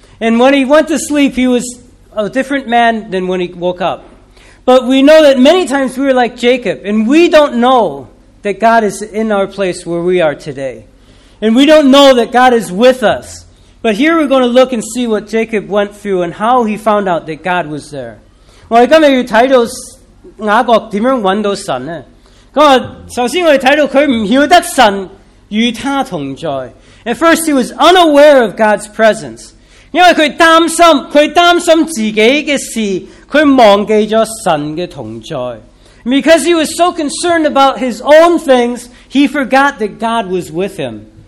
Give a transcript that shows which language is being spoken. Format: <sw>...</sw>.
<en>And when he went to sleep, he was a different man than when he woke up. But we know that many times we were like Jacob, and we don't know that God is in our place where we are today. And we don't know that God is with us. But here we're going to look and see what Jacob went through and how he found out that God was there.</en> <zh>我们今天要看到雅各怎样找到神呢？首先我们看到他不晓得神与他同在。</zh> <en>At first he was unaware of God's presence.</en> <zh>因为他担心自己的事,他忘记了神的同在。</zh> <en>And because he was so concerned about his own things, he forgot that God was with him.</en>